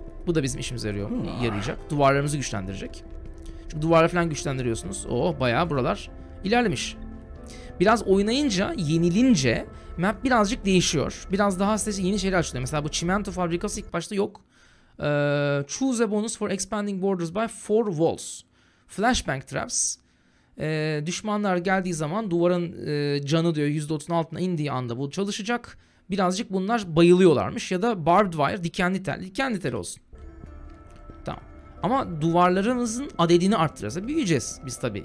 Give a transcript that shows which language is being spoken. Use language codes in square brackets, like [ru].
[tr] Bu da bizim işimize yarayacak. Duvarlarımızı güçlendirecek. Çünkü duvarı falan güçlendiriyorsunuz. Bayağı buralar ilerlemiş. Biraz oynayınca, yenilince map birazcık değişiyor. Biraz daha size yeni şeyler açılıyor. Mesela bu çimento fabrikası ilk başta yok. [en] Choose a bonus for expanding borders by four walls. Flashbang traps. [tr] Düşmanlar geldiği zaman duvarın canı diyor %30'un altına indiği anda bu çalışacak. Birazcık bunlar bayılıyorlarmış. Ya da [en] barbed wire, [tr] dikenli tel. Dikenli tel olsun. Tamam. Ama duvarlarımızın adedini arttırırız. Büyüyeceğiz biz tabii.